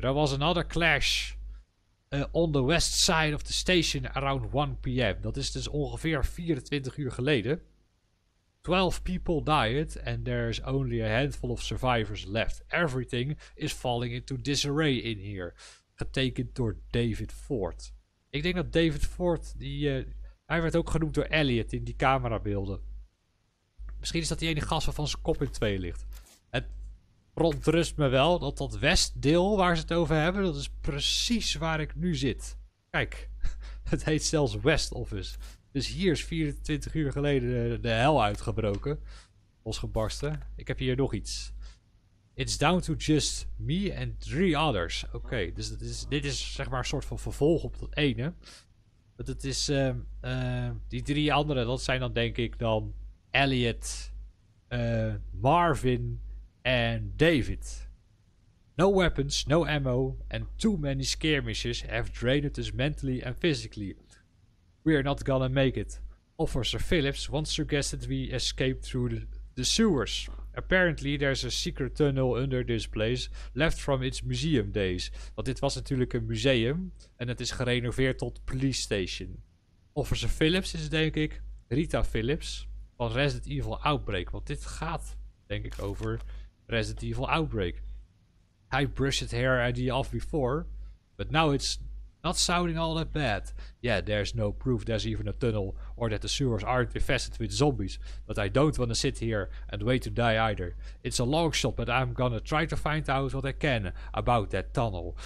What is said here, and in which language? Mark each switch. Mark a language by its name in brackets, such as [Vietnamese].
[English] There was another clash on the west side of the station around 1 p.m. [Dutch] Dat is dus ongeveer 24 uur geleden. [English] 12 people died and there is only a handful of survivors left. Everything is falling into disarray in here. [Dutch] Getekend door David Ford. Ik denk dat David Ford, hij werd ook genoemd door Elliot in die camerabeelden. Misschien is dat die ene gast waarvan zijn kop in 2 ligt. Het verontrust me wel dat dat westdeel waar ze het over hebben, dat is precies waar ik nu zit. Kijk, het heet zelfs West Office. Dus hier is 24 uur geleden de hel uitgebroken. Losgebarsten. Ik heb hier nog iets. [English] It's down to just me and three others. [Dutch] Oké, okay, dus dit is zeg maar een soort van vervolg op dat ene. Maar dat is die drie anderen, dat zijn dan denk ik dan Elliot, Marvin en David. [English] No weapons, no ammo and too many skirmishes have drained us mentally and physically. We are not gonna make it. Officer Phillips once suggested we escape through the sewers. Apparently there's a secret tunnel under this place, left from its museum days. [Dutch] Want dit was natuurlijk een museum en het is gerenoveerd tot police station. Officer Phillips is denk ik Rita Phillips van Resident Evil Outbreak. Want dit gaat denk ik over Resident Evil Outbreak. [English] I brushed the hair idea off before, but now it's not sounding all that bad. Yeah, there's no proof there's even a tunnel or that the sewers aren't infested with zombies, but I don't want to sit here and wait to die either. It's a long shot, but I'm gonna try to find out what I can about that tunnel.